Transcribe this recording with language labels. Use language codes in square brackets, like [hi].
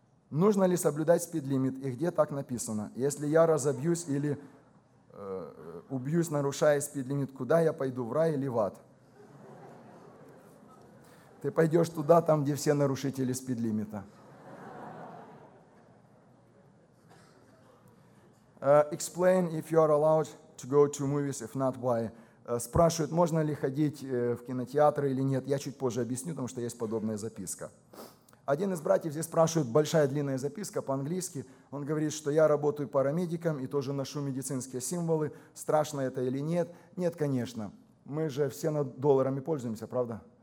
[ru] Нужно ли соблюдать спид-лимит? И где так написано? Если я разобьюсь или убьюсь, нарушая спид-лимит, куда я пойду, в рай или в ад? Ты пойдешь туда, там, где все нарушители спид-лимита. [en] Explain if you are allowed to go to movies, if not, why. [ru] Спрашивают, можно ли ходить в кинотеатры или нет. Я чуть позже объясню, потому что есть подобная записка. Один из братьев здесь спрашивает, большая длинная записка по-английски. Он говорит, что я работаю парамедиком и тоже ношу медицинские символы. Страшно это или нет? Нет, конечно. Мы же все над долларами пользуемся, правда?